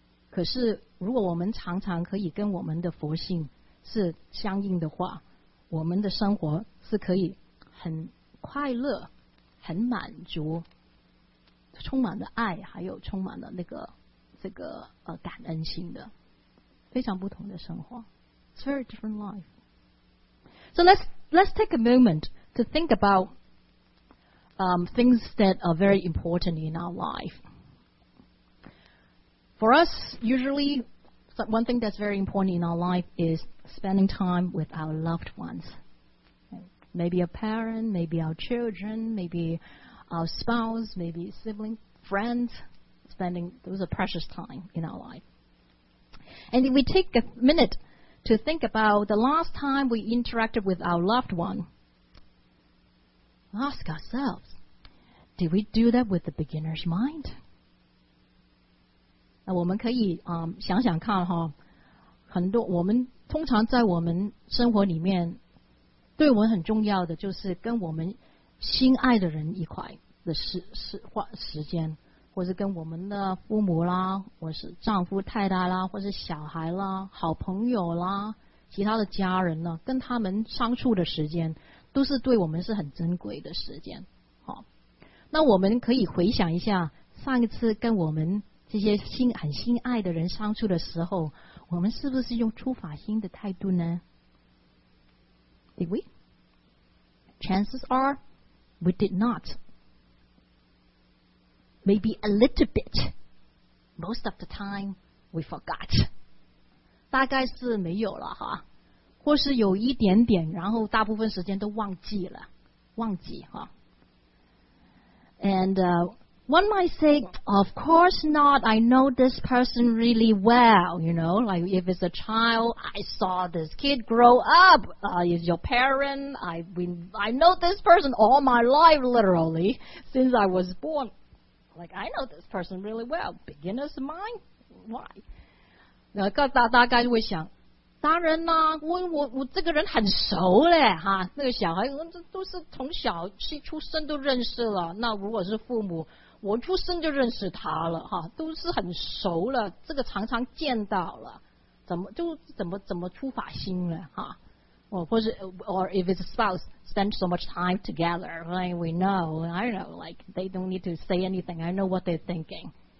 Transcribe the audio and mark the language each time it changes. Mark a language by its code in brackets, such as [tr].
[zh] 可是如果我们常常可以跟我们的佛性是相应的话，我们的生活是可以很快乐，很满足，充满了爱，还有充满了那个这个感恩心的，非常不同的生活。 [en] It's a very different life. So let's take a moment to think aboutthings that are very important in our life. For us, usually, one thing that's very important in our life is spending time with our loved ones. Maybe a parent, maybe our children, maybe our spouse, maybe sibling, friends. Those are precious time in our life. And if we take a minute to think about the last time we interacted with our loved one, ask ourselves,Did we do that with the beginner's mind? [zh] 那我们可以想想看哈，很多我们通常在我们生活里面，对我们很重要的就是跟我们心爱的人一块的时间，或是跟我们的父母啦，或是丈夫太太啦，或是小孩啦，好朋友啦，其他的家人呢，跟他们相处的时间，都是对我们是很珍贵的时间。那我们可以回想一下上一次跟我们这些很心爱的人相处的时候，我们是不是用初法心的态度呢？ [en] Did we? Chances are we did not. Maybe a little bit. Most of the time we forgot. [zh] 大概是没有了哈，或是有一点点，然后大部分时间都忘记了，忘记哈。And [en] One might say, of course not, I know this person really well, you know, like if it's a child, I saw this kid grow up, is your parent, I know this person all my life, literally, since I was born. Like, I know this person really well, beginner's mind, why? [zh] 大概会想, 当然啦, 我这个人很熟嘞, 哈, 那个小孩, 都是从小去出生都认识了, 那如果是父母, 我出生就认识他了，哈，都是很熟了，这个常常见到了，怎么就怎么出发心了，哈。 [en] Or if it's a spouse, spend so much time together, right? We know, I don't know, like they don't need to say anything, I know what they're thinking.